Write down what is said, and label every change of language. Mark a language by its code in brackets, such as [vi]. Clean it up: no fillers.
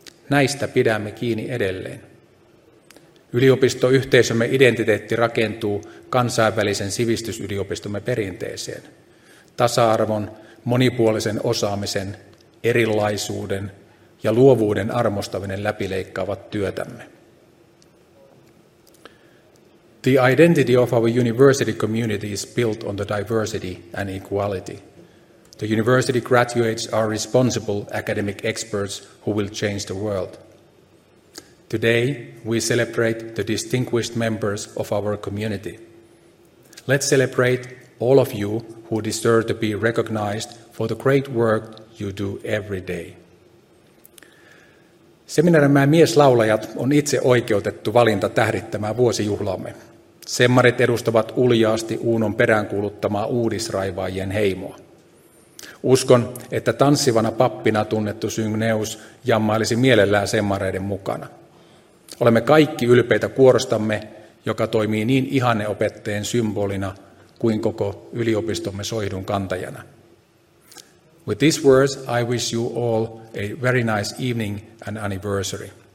[fi] Näistä pidämme kiinni edelleen. Yliopistoyhteisömme identiteetti rakentuu kansainvälisen sivistysyliopistomme perinteeseen: tasa-arvon, monipuolisen osaamisen, erilaisuuden ja luovuuden armostaminen läpileikkaavat työtämme. [en] The identity of our university community is built on the diversity and equality. The university graduates are responsible academic experts who will change the world. Today, we celebrate the distinguished members of our community. Let's celebrate all of you who deserve to be recognized for the great work you do every day. [fi] Seminaarimme mieslaulajat on itse oikeutettu valinta tähdittämään vuosijuhlaamme. Semmarit edustavat uljaasti Uunon peräänkuuluttamaa uudisraivaajien heimoa. Uskon, että tanssivana pappina tunnettu Syngneus jammailisi mielellään semmareiden mukana. Olemme kaikki ylpeitä kuorostamme, joka toimii niin ihanneopettajien symbolina kuin koko yliopistomme soihdun kantajana. [en] With these words, I wish you all a very nice evening and anniversary.